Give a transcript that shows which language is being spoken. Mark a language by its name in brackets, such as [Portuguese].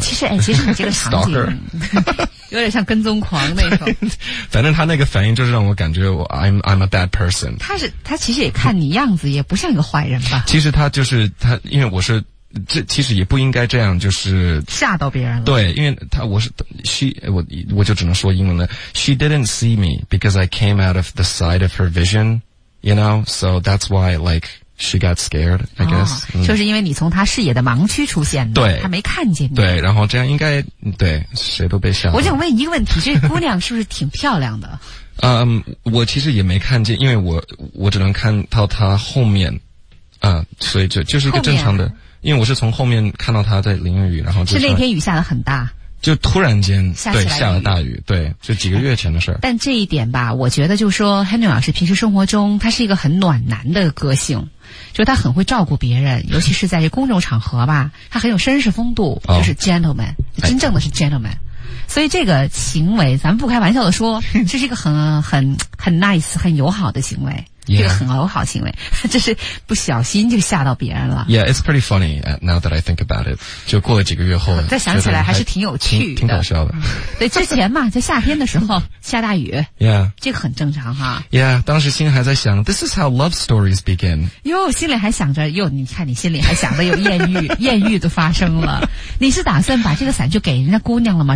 [Chinese] 其实你这个场景有点像跟踪狂那种。反正他那个反应就是让我感觉我 [English] I'm a bad person。 [Chinese] 他其实也看你样子也不像一个坏人吧。其实他就是他，因为我是这其实也不应该这样，就是吓到别人了。对，因为他我就只能说英文了。 [English] She didn't see me because I came out of the side of her vision, you know. So that's why, like, she got scared, I guess.、 [Chinese] 哦、就是因为你从他视野的盲区出现的，对，他没看见你。对，然后这样应该对谁都被吓了。我想问一个问题，这姑娘是不是挺漂亮的？我其实也没看见，因为我只能看到她后面，所以就是一个正常的。因为我是从后面看到他在淋雨，然后就是那天雨下得很大，就突然间下对下了大雨，对，就几个月前的事儿。但这一点吧，我觉得就是说 Henry 老师平时生活中他是一个很暖男的个性，就是他很会照顾别人，尤其是在这公众场合吧，他很有绅士风度，就是 gentleman、哦、真正的是 gentleman、哎、所以这个行为咱们不开玩笑的说，这是一个很 nice 很友好的行为。 [English] Yeah. [Chinese] 这个很友好行为，这是不小心就吓到别人了。 [English] Yeah, it's pretty funny now that I think about it. [Chinese] 就过了几个月后，再想起来还是挺有趣的，挺搞笑的。对，之前嘛，在夏天的时候下大雨。 [English] Yeah, [Chinese] 这个很正常哈。 [English] Yeah, [Chinese] 当时心里还在想 [English] ，This is how love stories begin. [Chinese] 哟，心里还想着哟，你看你心里还想着有艳遇，艳遇都发生了。你是打算把这个伞就给人家姑娘了吗？